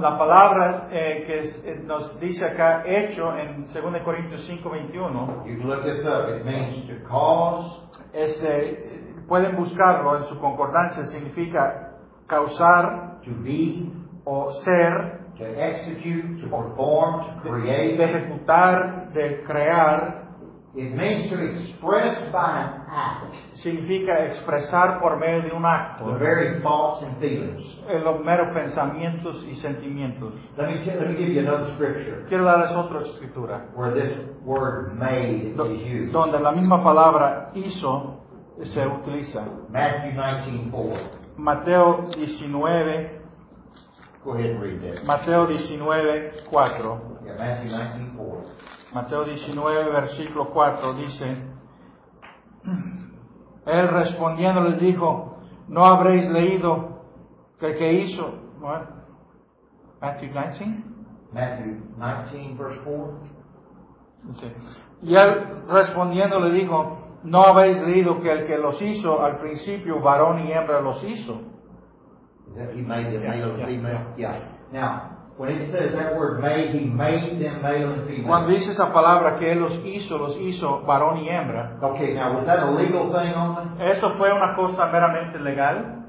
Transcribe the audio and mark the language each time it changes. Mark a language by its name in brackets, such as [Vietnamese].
[Spanish] La palabra que nos dice acá, hecho en 2 Corintios 5:21. [English] You can look this up. It means to cause. [Spanish] Pueden buscarlo en su concordancia. Significa causar. [English] To be. [Spanish] O ser. [English] To execute, to perform, to create. [Spanish] De ejecutar, de crear. [English] It means to express by an act. [Spanish] Significa expresar por medio de un acto. [English] The very thoughts and feelings. [Spanish] Los meros pensamientos y sentimientos. [English] Let me give you another scripture. [Spanish] Quiero darles otra escritura. [English] Where this word made is used. [Spanish] Donde la misma palabra hizo se utiliza. [English] Matthew 19:4. [Spanish] Mateo 19. [English] Go ahead and read this. [Spanish] Mateo 19:4. [English] Yeah, Matthew 19:4. [Spanish] Mateo 19, versículo 4, dice, Él respondiendo les dijo, ¿no habréis leído que hizo? [English] What? Matthew 19? Matthew 19, verse 4. [Spanish] Dice, y Él respondiendo le dijo, ¿no habréis leído que el que los hizo al principio, varón y hembra los hizo? [English] Is that he made them male and female? Yeah. Now, when it says that word made, he made them male and female. [Spanish] Cuando dice esa palabra que él los hizo varón y hembra. [English] Okay, now was that a legal thing only? [Spanish] ¿Eso fue una cosa meramente legal?